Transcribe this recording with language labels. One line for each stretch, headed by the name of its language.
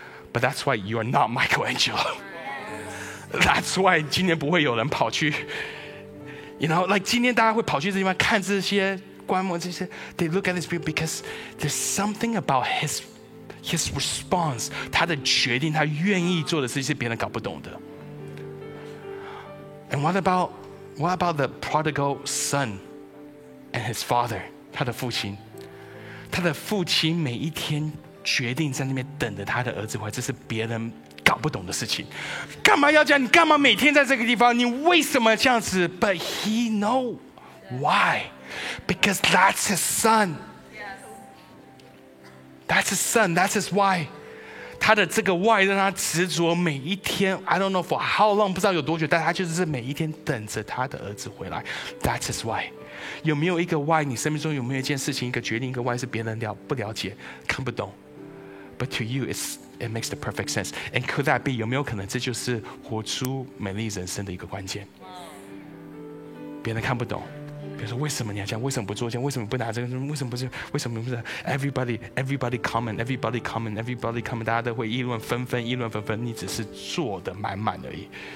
English: But that's why you are not Michael Angelo. That's why
Chinese: 今年不会有人跑去，然后，来今天大家会跑去这地方看这些观摩这些。
English: They look at these people because there's something about his response.
Chinese: 他的决定，他愿意做的事情是别人搞不懂的。
English: And what about the prodigal son and his father?
Chinese: 他的父亲，他的父亲每一天决定在那边等着他的儿子回来，这是别人搞不懂的事情。干嘛要这样？你干嘛每天在这个地方？你为什么这样子
English: ？But he know why? Because that's his son. That's his son. That's his why.
Chinese: 他的这个 why 让他执着每一天。
English: I don't know for how long，
Chinese: 不知道有多久，但他就是每一天等着他的儿子回来。
English: That's his why。
Chinese: 有没有一个 why？你生命中有没有一件事情、一个决定、一个 why 是别人不了解、看不懂？
English: But to you, it makes the perfect sense. And could that be?
Chinese: 有没有可能这就是活出美丽人生的一个关键？别人看不懂，比如说为什么你要这样？为什么不做这样？为什么不拿这个？为什么不是？为什么不是 ？
English: Everybody comment.
Chinese: 大家都会议论纷纷。你只是做的满满而已。